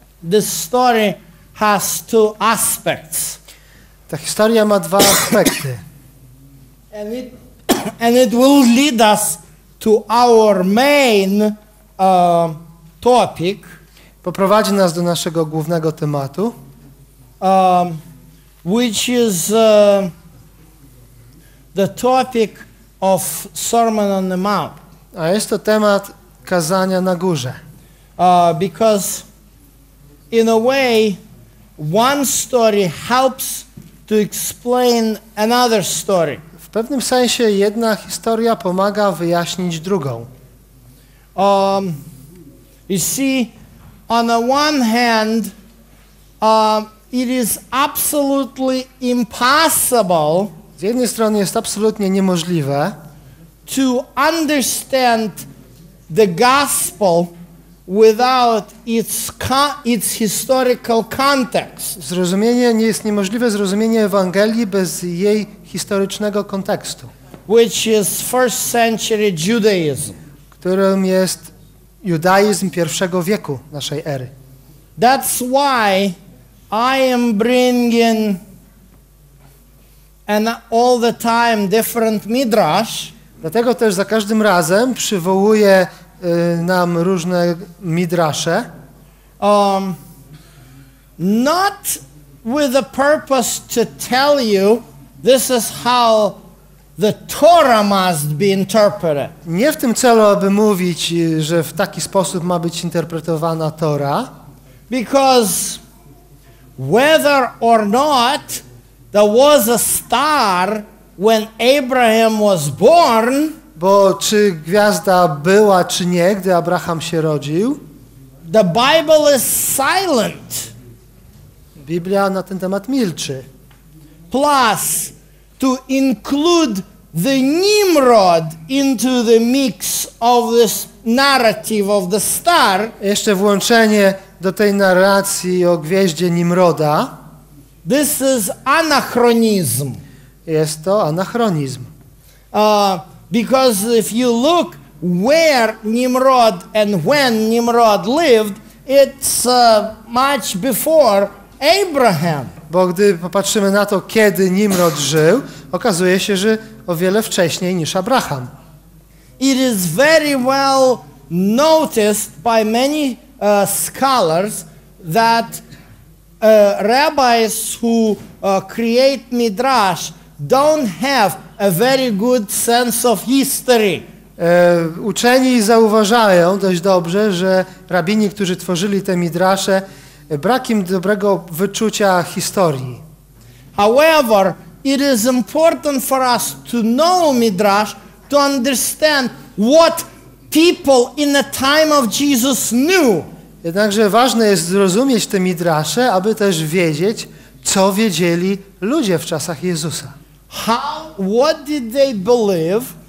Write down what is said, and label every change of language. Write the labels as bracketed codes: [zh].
[en] This story has two aspects. [pl] Ta historia ma dwa aspekty. [en] And it will lead us to our main topic. [pl] Poprowadzi nas do naszego głównego tematu. [en] Which is the topic of Sermon on the Mount. [pl] A jest to temat kazania na górze. [en] Because in a way one story helps to explain another story. [pl] W pewnym sensie jedna historia pomaga wyjaśnić drugą. [en] You see, on the one hand, it is absolutely impossible. [pl] Z jednej strony jest absolutnie niemożliwe [en] to understand the gospel without its historical context. [pl] Zrozumienie nie jest niemożliwe, zrozumienie Ewangelii bez jej historycznego kontekstu. [en] Which is first century Judaism. [pl] Którym jest judaizm pierwszego wieku naszej ery. [en] That's why I am bringing and all the time different midrash. [pl] Dlatego też za każdym razem przywołuje nam różne midrasze. [en] Not with the purpose to tell you this is how the Torah must be interpreted. [pl] Nie w tym celu, aby mówić, że w taki sposób ma być interpretowana Tora. [en] Because whether or not there was a star when Abraham was born, [pl] bo czy gwiazda była, czy nie, gdy Abraham się rodził, [en] the Bible is silent. [pl] Biblia na ten temat milczy. [en] Plus, to include the Nimrod into the mix of this narrative of the star. [pl] Jeszcze włączenie do tej narracji o gwieździe Nimroda. [en] This is anachronism. [pl] Jest to anachronizm. [en] Because if you look where Nimrod and when Nimrod lived, it's much before Abraham. [pl] Bo gdy popatrzymy na to, kiedy Nimrod żył, okazuje się, że o wiele wcześniej niż Abraham. [en] It is very well noticed by many scholars that rabbis who create midrash don't have a very good sense of history. [pl] Uczeni zauważają dość dobrze, że rabini, którzy tworzyli te midrasze, brak im dobrego wyczucia historii. [en] However, it is important for us to know midrash to understand what people in the time of Jesus knew. [pl] Jednakże ważne jest zrozumieć te midrasze, aby też wiedzieć, co wiedzieli ludzie w czasach Jezusa. [en] How, what did they believe?